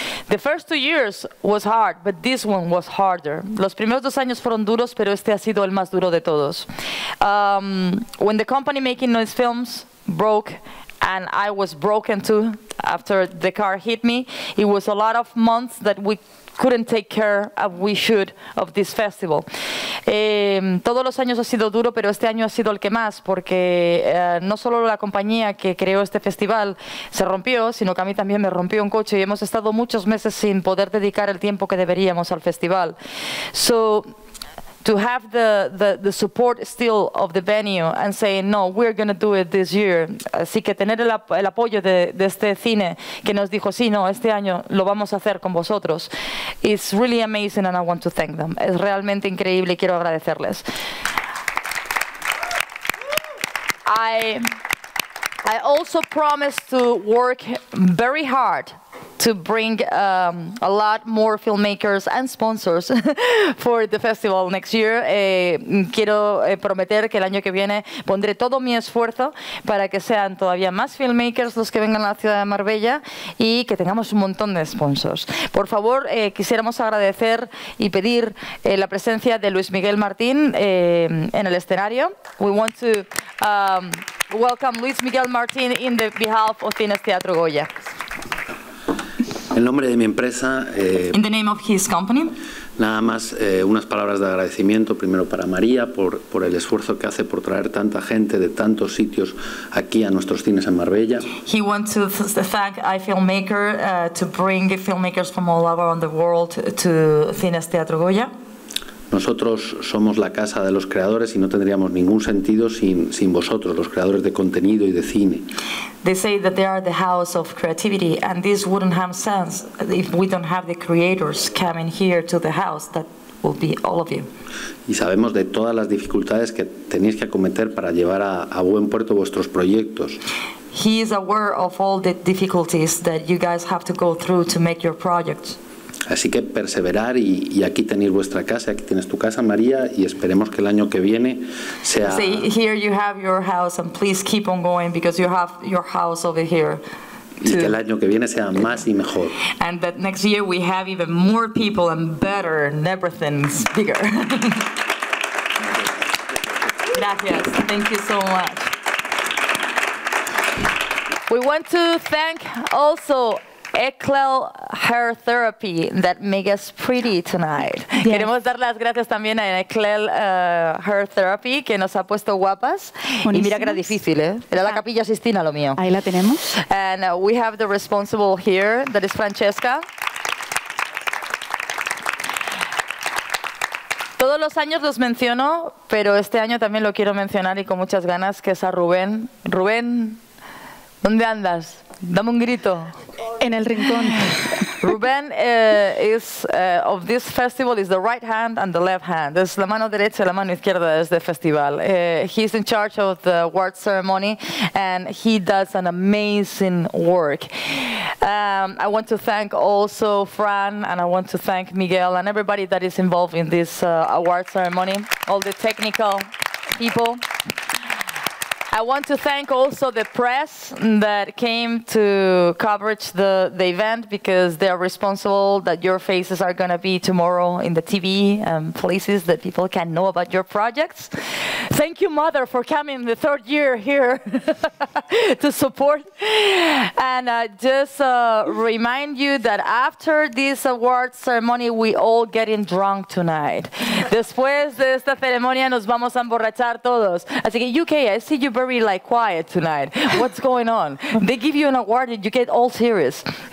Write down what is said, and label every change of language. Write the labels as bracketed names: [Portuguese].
[English] The first 2 years was hard, but this one was harder. [Spanish] Los primeros 2 años fueron duros, pero este ha sido el más duro de todos. [English] When the company making noise films broke, and I was broken too after the car hit me, it was a lot of months that we couldn't take care as we should of this festival. [Spanish] Todos los años ha sido duro, pero este año ha sido el que más, porque no solo la compañía que creó este festival se rompió, sino que a mí también me rompió un coche y hemos estado muchos meses sin poder dedicar el tiempo que deberíamos al festival. [English] So, to have the support still of the venue and saying, no, we're going to do it this year. [Spanish] Así que tener el apoyo de este cine que nos dijo, sí, no, este año lo vamos a hacer con vosotros. [English] It's really amazing and I want to thank them. [Spanish] Es realmente increíble y quiero agradecerles. [English] I also promise to work very hard to bring a lot more filmmakers and sponsors for the festival next year. [Spanish] Quiero prometer que el año que viene pondré todo mi esfuerzo para que sean todavía más filmmakers los que vengan a la ciudad de Marbella y que tengamos un montón de sponsors. Por favor, quisiéramos agradecer y pedir la presencia de Luis Miguel Martín en el escenario. [English] We want to welcome Luis Miguel Martín in the behalf of Cines Teatro Goya. [Spanish] En nombre de mi empresa, [English] in the name of his company. [Spanish] Nada más unas palabras de agradecimiento primero para María por el esfuerzo que hace por traer tanta gente de tantos sitios aquí a nuestros cines en Marbella. [English] He wants to thank a filmmaker to bring filmmakers from all around the world to Cines Teatro Goya. [Spanish] Nosotros somos la casa de los creadores y no tendríamos ningún sentido sin vosotros, los creadores de contenido y de cine. [English] They say that they are the house of creativity, and this wouldn't have sense if we don't have the creators coming here to the house. That will be all of you. [Spanish] Y sabemos de todas las dificultades que tenéis que acometer para llevar a buen puerto vuestros proyectos. [English] He is aware of all the difficulties that you guys have to go through to make your projects. [Spanish] Así que perseverar y aquí tenéis vuestra casa, aquí tienes tu casa, María, y esperemos que el año que viene sea. [English] See, here you have your house, and please keep on going because you have your house over here. [Spanish] Y que el año que viene sea más y mejor. [English] And that next year we have even more people and better, and everything's bigger. [Spanish] Gracias. [English] Thank you so much. We want to thank also Eclel Hair Therapy that make us pretty tonight. Yes. [Spanish] Queremos dar las gracias también a Eclel Hair Therapy que nos ha puesto guapas. Buenísimas. Y mira que era difícil, ¿eh? Era la Capilla Sistina lo mío. Ahí la tenemos. [English] And we have the responsible here, that is Francesca. [Spanish] Todos los años los menciono, pero este año también lo quiero mencionar y con muchas ganas, que es a Rubén. Rubén, ¿dónde andas? Dame un grito. En el rincón. [English] Ruben is of this festival is the right hand and the left hand. [Spanish] Es la mano derecha, la mano izquierda es del festival. [English] He's in charge of the award ceremony, and he does an amazing work. I want to thank also Fran, and I want to thank Miguel and everybody that is involved in this award ceremony, all the technical people. I want to thank also the press that came to coverage the event, because they are responsible that your faces are going to be tomorrow in the TV and places that people can know about your projects. Thank you, Mother, for coming the third year here to support. And just remind you that after this award ceremony, we all getting drunk tonight. [Spanish] Después de esta ceremonia, nos vamos a emborrachar todos. Así que, [English] UK, I see you very like quiet tonight. What's going on? They give you an award and you get all serious.